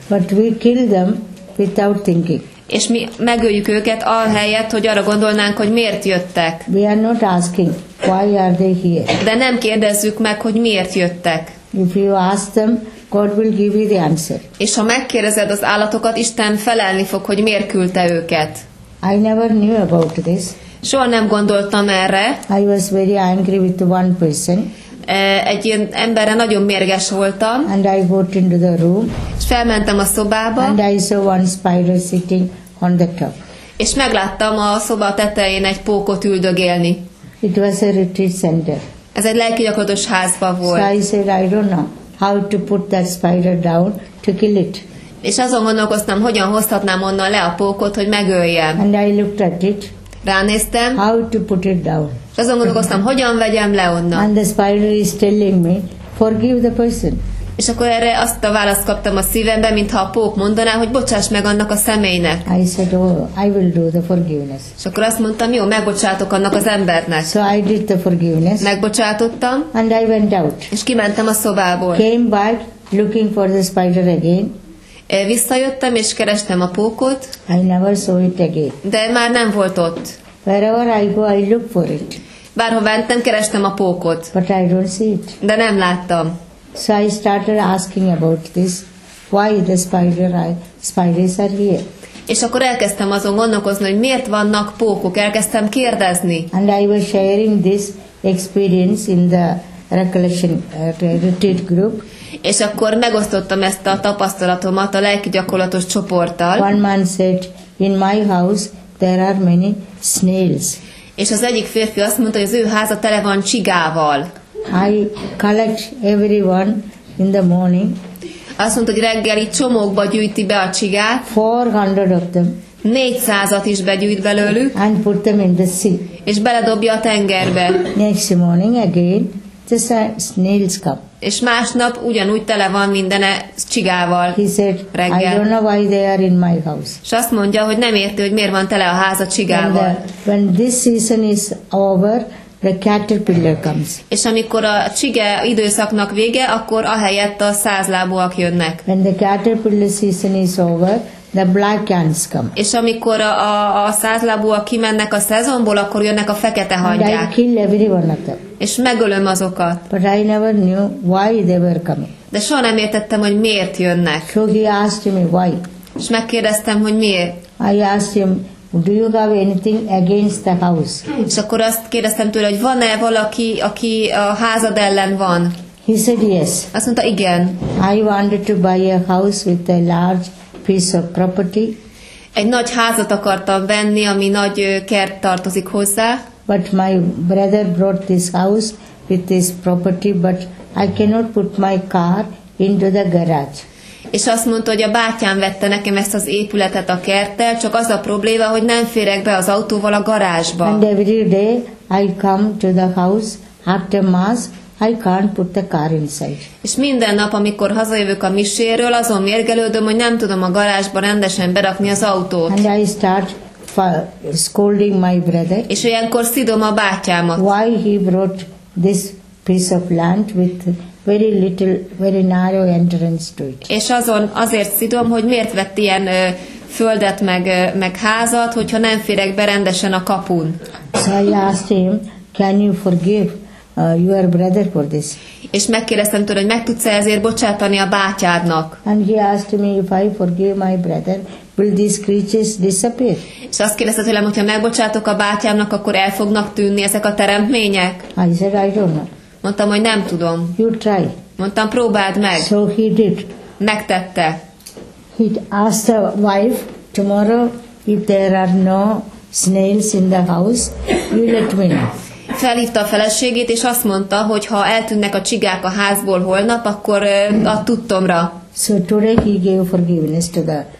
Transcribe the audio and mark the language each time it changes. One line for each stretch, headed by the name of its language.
English: But we kill them without thinking.
Hungarian: És mi megöljük őket ahelyett, hogy arra gondolnánk, hogy miért jöttek.
English: We are not asking, why are they here?
Hungarian: De nem kérdezzük meg, hogy miért jöttek.
English: If you ask them, God will give you the answer.
Hungarian: És ha megkérdezed az állatokat, Isten felelni fog, hogy miért küldte őket.
English: I never knew about this.
Hungarian: Soha nem gondoltam erre.
English: I was very angry with one person.
Hungarian: Egy ilyen emberre nagyon mérges voltam.
English: And I got into the room.
Hungarian: És felmentem a szobába.
English: And I saw one spider sitting on the top.
Hungarian: És megláttam a szoba tetején egy pókot üldögélni.
English: It was a retreat center.
Hungarian: Ez egy lelkigyakorlatos házba volt.
English: So I said, I don't know how to put that spider down to kill it.
Hungarian: És azon gondolkoztam, hogyan hozhatnám onnan le a pókot, hogy megöljem.
English: And I looked at it.
Hungarian: Ránéztem.
English: How to put it down.
Hungarian: És azon gondolkoztam, hogyan vegyem le onnan.
English: And the spider is telling me, forgive the person.
Hungarian: És akkor erre azt a választ kaptam a szívembe, mintha a pók mondaná, hogy bocsáss meg annak a személynek.
English: I said, oh, I will do the forgiveness.
Hungarian: És akkor azt mondtam, jó, megbocsátok annak az embernek.
English: So I did the forgiveness.
Hungarian: Megbocsátottam.
English: And I went out.
Hungarian: És kimentem a szobából.
English: Came back, looking for the spider again.
Hungarian: Visszajöttem és kerestem a pókot.
English: I never saw it again.
Hungarian: De már nem volt ott.
English: Wherever I go, I look for it.
Hungarian: Bárhol mentem, kerestem a pókot.
English: But I don't see it.
Hungarian: De nem láttam.
English: So I started asking about this, why the spiders are here.
Hungarian: És akkor elkezdtem azon gondolkozni, hogy miért vannak pókok. Elkezdtem kérdezni.
English: And I was sharing this experience in the recollection retreat group.
Hungarian: És akkor megosztottam ezt a tapasztalatomat a lelkigyakorlatos csoporttal.
English: One man said, in my house there are many snails.
Hungarian: És az egyik férfi azt mondta, hogy az ő háza tele van csigával.
English: I collect everyone in the morning.
Hungarian: Azt mondta, hogy reggeli csomókba gyűjti be a csigát.
English: 400 of them.
Hungarian: 400-at is begyűjt belőlük.
English: And put them in the sea.
Hungarian: És beledobja a tengerbe.
English: Next morning again, the snails come.
Hungarian: És másnap ugyanúgy tele van mindene csigával.
English: He said,
Hungarian: reggel.
English: I don't know why they are in my house.
Hungarian: És azt mondja, hogy nem érti, hogy miért van tele a háza csigával.
English: When this season is over, the caterpillar comes.
Hungarian: És amikor a csige időszaknak vége, akkor ahelyett a százlábúak jönnek.
English: When the caterpillar season is over, the black ants come.
Hungarian: És amikor a százlábúak kimennek a szezonból, akkor jönnek a fekete hangyák.
English: And I kill every one of them.
Hungarian: És megölöm azokat.
English: But I never knew why they were coming.
Hungarian: De soha nem értettem, hogy miért jönnek.
English: So he asked me why.
Hungarian: És megkérdeztem, hogy miért.
English: I asked him, do you have anything against the house?
Hungarian: És akkor azt kérdeztem tőle, hogy van-e valaki, aki a házad ellen van?
English: He said yes.
Hungarian: Azt mondta, igen.
English: I wanted to buy a house with a large piece of property.
Hungarian: Egy nagy házat akartam venni, ami nagy kert tartozik hozzá.
English: But my brother brought this house with this property, but I cannot put my car into the garage.
Hungarian: És azt mondta, hogy a bátyám vette nekem ezt az épületet a kerttel, csak az a probléma, hogy nem férek be az autóval a garázsba.
English: And every day I come to the house after mass, I can't put the car inside.
Hungarian: És minden nap, amikor hazajövök a miséről, azon mérgelődöm, hogy nem tudom a garázsba rendesen berakni az autót.
English: And I start scolding my brother.
Hungarian: És olyankor szidom a bátyámat.
English: Why he brought this piece of land with very little, very narrow entrance to it.
Hungarian: És azon azért szidom, hogy miért vett ilyen földet meg házat, hogyha nem férek be rendesen a kapun.
English: So I asked him, can you forgive your brother for this?
Hungarian: És megkérdeztem tőle, hogy meg tudsz-e ezért bocsátani a bátyádnak.
English: And he asked me, if I forgive my brother, will these creatures disappear?
Hungarian: És azt kérdezte tőlem, hogyha megbocsátok a bátyámnak, akkor el fognak tűnni ezek a teremtmények?
English: I said, I don't know.
Hungarian: Mondtam, hogy nem tudom.
English: You try.
Hungarian: Mondtam, próbáld meg.
English: So he did.
Hungarian: Megtette.
English: He asked the wife, tomorrow, if there are no snails in the house, you let me know.
Hungarian: Felhívta a feleségét, és azt mondta, hogy ha eltűnnek a csigák a házból holnap, akkor ad tudtomra.
English: So today he gave forgiveness to the